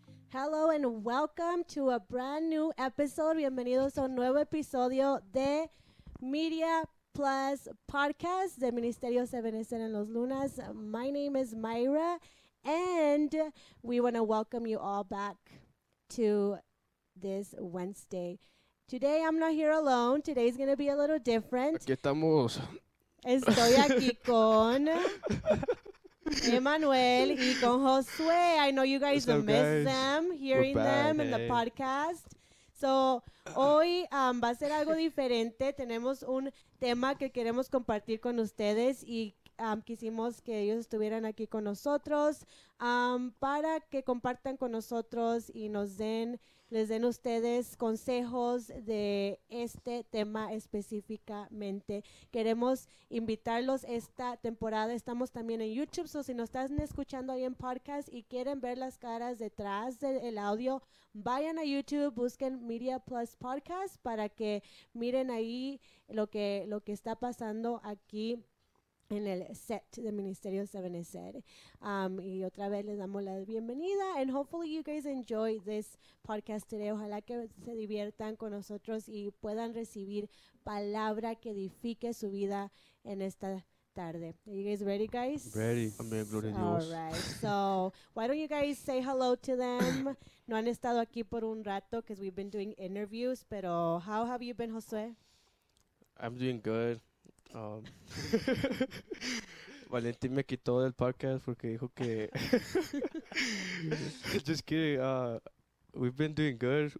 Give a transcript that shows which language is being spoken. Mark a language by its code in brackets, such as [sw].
[en] Hello and welcome to a brand new episode. [es] Bienvenidos a un nuevo episodio de Media Plus Podcast de Ministerio Se Benecen en los Lunas. [en] My name is Myra and we want to welcome you all back to this Wednesday. Today I'm not here alone. Today is going to be a little different. [es] Aquí estamos. Estoy aquí con... Emmanuel y con Josué. [en] I know you guys miss them, hearing them in the podcast. [es] So, hoy va a ser algo diferente. Tenemos un tema que queremos compartir con ustedes y quisimos que ellos estuvieran aquí con nosotros para que compartan con nosotros y les den ustedes consejos de este tema específicamente. Queremos invitarlos esta temporada. Estamos también en YouTube, so si nos están escuchando ahí en podcast y quieren ver las caras detrás del audio, vayan a YouTube, busquen Media Plus Podcast para que miren ahí lo que está pasando aquí en el set de Ministerio Se Benecer. Y otra vez les damos la bienvenida. [en] And hopefully you guys enjoy this podcast today. [es] Ojalá que se diviertan con nosotros y puedan recibir palabra que edifique su vida en esta tarde. [en] Are you guys ready, guys? Ready. [es] Amén, gloria a Dios. [en] All right. So, why don't you guys say hello to them? [es] No han estado aquí por un rato [en] because we've been doing interviews, [es] pero [en] how have you been, [es] Josué? [en] I'm doing good. [es] Valentín me quitó del podcast porque dijo que [en] just kidding, we've been doing good.